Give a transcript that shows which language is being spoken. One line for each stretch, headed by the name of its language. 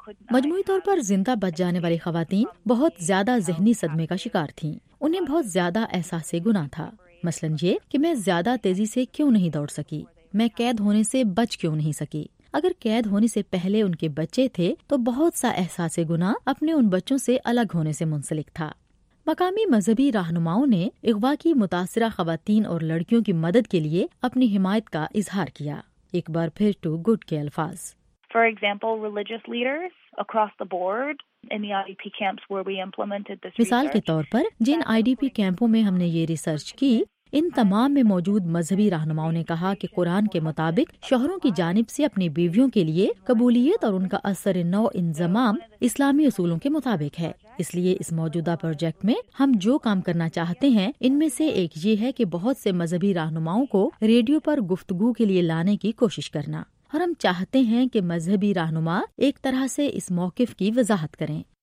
Urdu: مجموعی طور پر زندہ بچ جانے والی خواتین بہت زیادہ ذہنی صدمے کا شکار تھیں، انہیں بہت زیادہ احساس گناہ تھا، مثلا یہ کہ میں زیادہ تیزی سے کیوں نہیں دوڑ سکی، میں قید ہونے سے بچ کیوں نہیں سکی۔ اگر قید ہونے سے پہلے ان کے بچے تھے تو بہت سا احساس گناہ اپنے ان بچوں سے الگ ہونے سے منسلک تھا۔ مقامی مذہبی رہنماؤں نے اغوا کی متاثرہ خواتین اور لڑکیوں کی مدد کے لیے اپنی حمایت کا اظہار کیا۔ ایک بار پھر ٹو گڈ کے الفاظ۔
English: For example, religious leaders across the board in the IDP camps where we implemented this research.
Urdu: مثال کے طور پر جن IDP کیمپوں میں ہم نے یہ ریسرچ کی, ان تمام میں موجود مذہبی رہنماؤں نے کہا کہ قرآن کے مطابق شوہروں کی جانب سے اپنی بیویوں کے لیے قبولیت اور ان کا اثر نو انضمام اسلامی اصولوں کے مطابق ہے. اس لیے اس موجودہ پروجیکٹ میں ہم جو کام کرنا چاہتے ہیں ان میں سے ایک یہ ہے کہ بہت سے مذہبی رہنماؤں کو ریڈیو پر گفتگو کے لیے لانے کی کوشش کرنا, اور ہم چاہتے ہیں کہ مذہبی رہنما ایک طرح سے اس موقف کی وضاحت کریں.